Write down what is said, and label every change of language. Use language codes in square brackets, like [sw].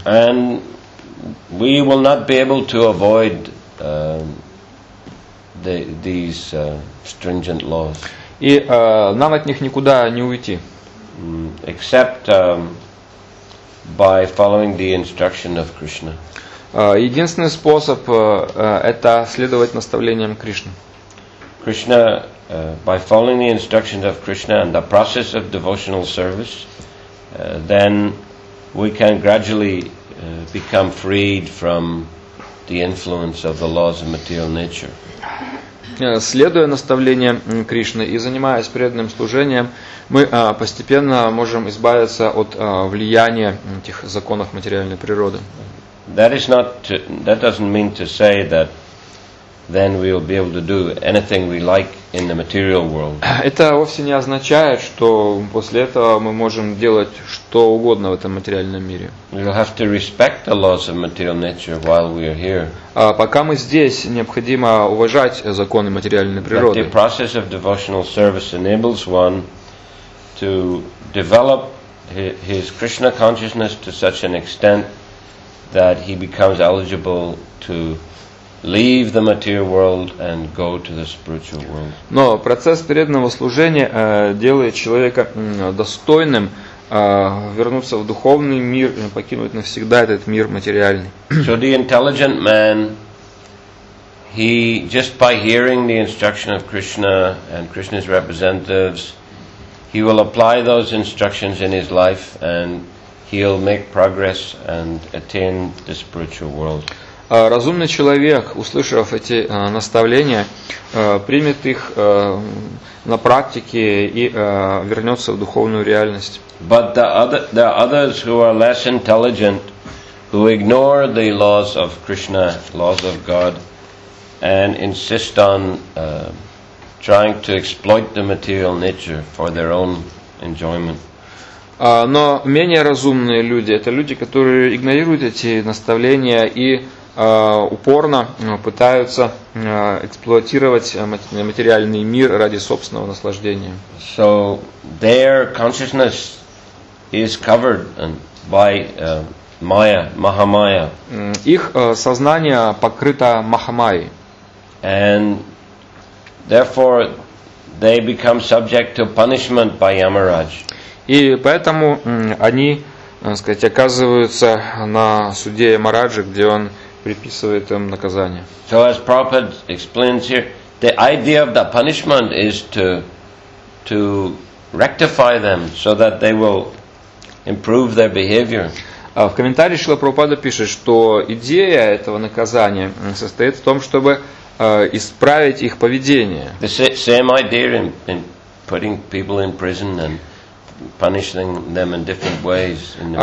[en] And we will not be able to avoid these stringent laws. [ru] И нам от них никуда не уйти. [en] Except by following the instruction of Krishna. [ru] Единственный способ это следовать наставлениям Кришны. [en] Krishna, by following the instructions of Krishna and the process of devotional service, then we can gradually become freed from the influence of the laws of material nature. [ru] Следуя наставлениям Кришны и занимаясь преданным служением, мы постепенно можем избавиться от влияния этих законов материальной природы. [en] That is not. That doesn't mean to say that then we will be able to do anything we like in the material world. [ru] Это вовсе не означает, что после этого мы можем делать что угодно в этом материальном мире. [en] We will have to respect the laws of material nature while we are here. [ru] Пока мы здесь, необходимо уважать законы материальной природы. [en] But the process of devotional service enables one to develop his Krishna consciousness to such an extent that he becomes eligible to leave the material world and go to the spiritual world. [ru] Но процесс преданного служения делает человека достойным вернуться в духовный мир и покинуть навсегда этот мир материальный. [en] So the intelligent man, he just by hearing the instruction of Krishna and Krishna's representatives, he will apply those instructions in his life and he'll make progress and attain the spiritual world. [ru] Разумный человек, услышав эти наставления, примет их на практике и вернется в духовную реальность. [en] But the others who are less intelligent, who ignore the laws of Krishna, laws of God, and insist on trying to exploit the material nature for their own enjoyment. [ru] Но менее разумные люди – это люди, которые игнорируют эти наставления и упорно пытаются эксплуатировать материальный мир ради собственного наслаждения. [en] So their consciousness is covered by Maya, Mahamaya. [ru] Их сознание покрыто Махамайей. [en] And therefore they become subject to punishment by Yamaraj. [ru] И поэтому они, так сказать, оказываются на суде Ямараджа, где он предписывает им наказание. [en] So as Prabhupada explains here, the idea of the punishment is to rectify them so that they will improve their behavior. [ru] В комментарии Шрила Прабхупада пишет, что идея этого наказания состоит в том, чтобы исправить их поведение. [en] The same idea in putting people in prison and punishing them in different ways.